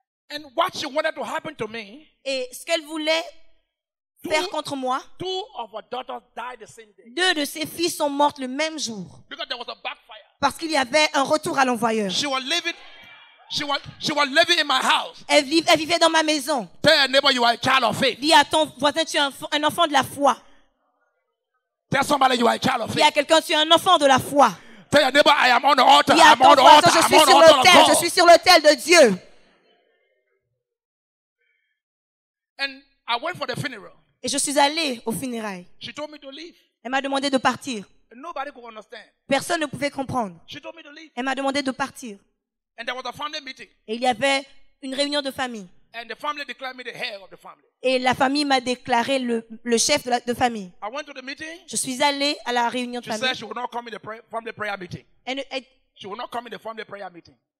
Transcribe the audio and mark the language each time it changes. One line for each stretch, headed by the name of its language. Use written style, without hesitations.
English: And what she wanted to happen to me,
French: et ce qu'elle voulait faire contre moi,
English: two of her daughters died the same day.
French: Deux de ses filles sont mortes le même jour.
English: Because there was a backfire.
French: Parce qu'il y avait un retour à l'envoyeur.
English: She was living. She was living in my house.
French: Elle vivait dans ma maison.
English: Tell your neighbor you are a child of faith.
French: Dis à ton voisin tu es un enfant de la foi.
English: Tell somebody you are a child of faith.
French: Dis à quelqu'un tu es un enfant de la foi.
English: Tell your neighbor I am on the altar.
French: Dis à ton voisin je suis sur l'autel. Je suis sur l'autel de Dieu.
English: And I went for the funeral.
French: Et je suis allé au funérail.
English: She told me to leave.
French: Elle m'a demandé de partir.
English: Nobody could understand.
French: Personne ne pouvait comprendre.
English: She told me to leave.
French: Elle m'a demandé de partir.
English: And there was a family meeting.
French: Et il y avait une réunion de famille.
English: And the family declared me the head of the family.
French: Et la famille m'a déclaré le chef de famille.
English: I went to the meeting.
French: Je suis allé à la réunion
English: she
French: de famille.
English: Said she would not come in the family prayer meeting. She would not come in the family prayer meeting.